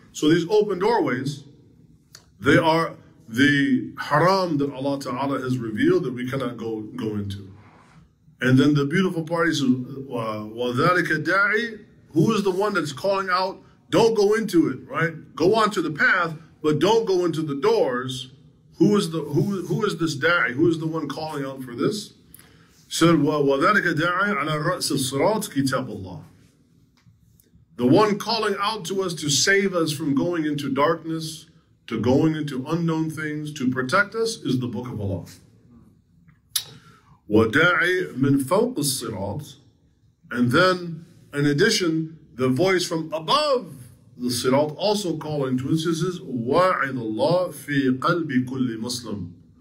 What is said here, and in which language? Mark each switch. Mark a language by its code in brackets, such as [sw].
[en] So these open doorways, they are the haram that Allah Ta'ala has revealed that we cannot go into. And then the beautiful part is, [ar] وَذَلِكَ دَاعِي. [en] Who is the one that's calling out? Don't go into it, right? Go on to the path, but don't go into the doors. Who is this da'i? Who is the one calling out for this? Said, [ar] وَذَلِكَ دَاعِي عَلَى رَأْسِ الصِّرَاطِ كِتَابُ اللَّهِ. [en] The one calling out to us to save us from going into darkness, to going into unknown things, to protect us, is the Book of Allah. [ar] وَدَاعِ مِنْ فَوْقِ الصِّرَاطِ. [en] And then, in addition, the voice from above the sirat also calling to us, is [ar] وَعِذَ اللَّهِ فِي قَلْبِ كُلِّ مُسْلِمٍ.